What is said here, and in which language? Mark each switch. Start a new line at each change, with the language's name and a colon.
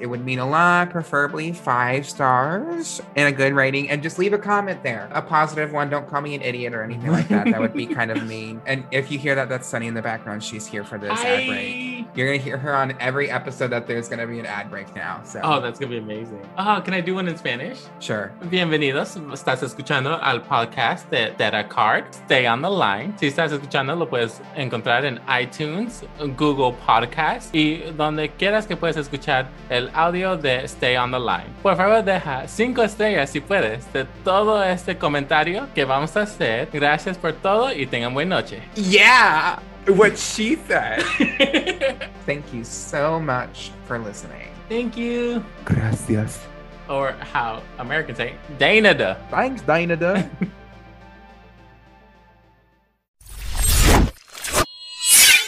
English: It would mean a lot, preferably 5 stars and a good rating. And just leave a comment there, a positive one. Don't call me an idiot or anything like that. That would be kind of mean. And if you hear that, that's Sunny in the background. She's here for this ad break. You're going to hear her on every episode that there's going to be an ad break now. So. Oh, that's going to be amazing. Can I do one in Spanish? Sure.
Spanish: Bienvenido. Estás escuchando al podcast de Data Card. Stay on the line. Si estás escuchando, lo puedes encontrar en iTunes, Google Podcast y donde quieras que puedas escuchar el audio de Stay on the Line. Por favor, deja 5 estrellas si puedes de todo este comentario que vamos a hacer. Gracias por todo y tengan buena noche.
English: Yeah, what she said. Thank you so much for listening. Thank you. Gracias. Or how Americans say, Danada. Thanks, Danada. Hey,